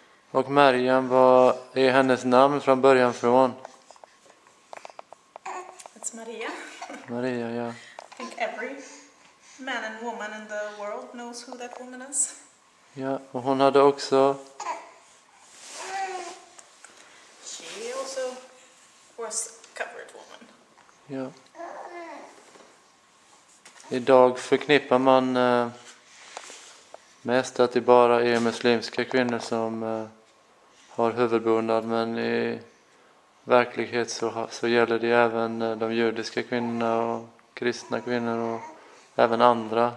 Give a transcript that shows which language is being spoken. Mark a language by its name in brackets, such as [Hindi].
[Swedish] Och Maryam, vad är hennes namn från början från? [English] It's Maria. [Swedish] Maria, ja. Yeah. [English] I think every man and woman in the world knows who that woman is. [Swedish] Ja, och hon hade också... [English] She also was a covered woman. [Swedish] Ja. Idag förknippar man mest att det bara är muslimska kvinnor som... har huvudbonad, men i verklighet så gäller det även de judiska kvinnorna och kristna kvinnor och även andra.